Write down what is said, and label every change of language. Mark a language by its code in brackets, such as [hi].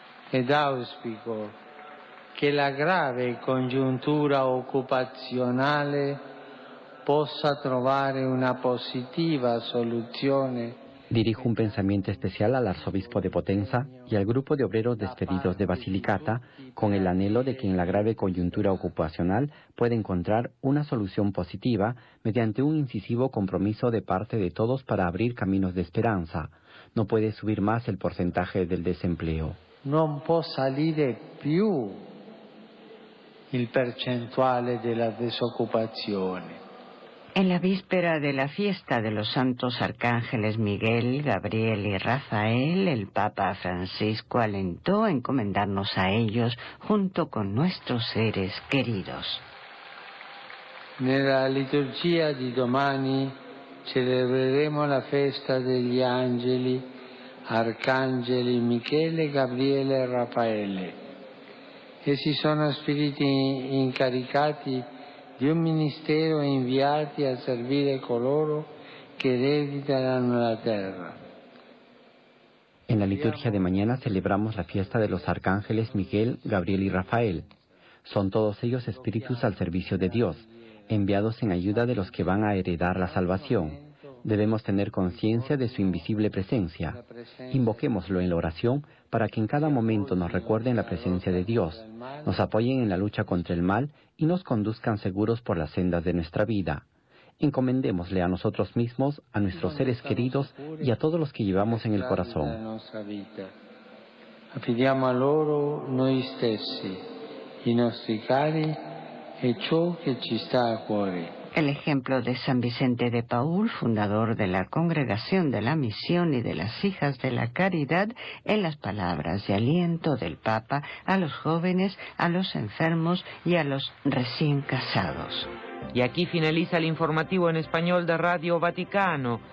[it] Ed auspico che la grave congiuntura occupazionale possa trovare una positiva soluzione. [es] Dirijo un pensamiento especial al arzobispo de Potenza y al grupo de obreros despedidos de Basilicata, con el anhelo de que en la grave coyuntura ocupacional pueda encontrar una solución positiva mediante un incisivo compromiso de parte de todos para abrir caminos de esperanza. No puede subir más el porcentaje del desempleo. No puede salir [it] più il percentuale della disoccupazione. [es] En la víspera de la fiesta de los santos arcángeles Miguel, Gabriel y Rafael, el Papa Francisco alentó a encomendarnos a ellos junto con nuestros seres queridos. [it] Nella liturgia di domani celebreremo la festa degli angeli, arcangeli Michele, Gabriele e Raffaele. Essi sono spiriti incaricati di un ministero e inviati a servire coloro che ereditano la terra. [es] En la liturgia de mañana celebramos la fiesta de los arcángeles Miguel, Gabriel y Rafael. Son todos ellos espíritus al servicio de Dios, enviados en ayuda de los que van a heredar la salvación. debemos tener conciencia de su invisible presencia. Invoquémoslo en la oración para que en cada momento nos recuerden la presencia de Dios, nos apoyen en la lucha contra el mal y nos conduzcan seguros por las sendas de nuestra vida. Encomendémosle a nosotros mismos, a nuestros seres queridos y a todos los que llevamos en el corazón. [it] Affidiamo a loro noi stessi, i nostri cari e ciò che ci sta a cuore. [es] El ejemplo de San Vicente de Paúl, fundador de la Congregación de la Misión y de las Hijas de la Caridad, en las palabras de aliento del Papa a los jóvenes, a los enfermos y a los recién casados. Y aquí finaliza el informativo en español de Radio Vaticano.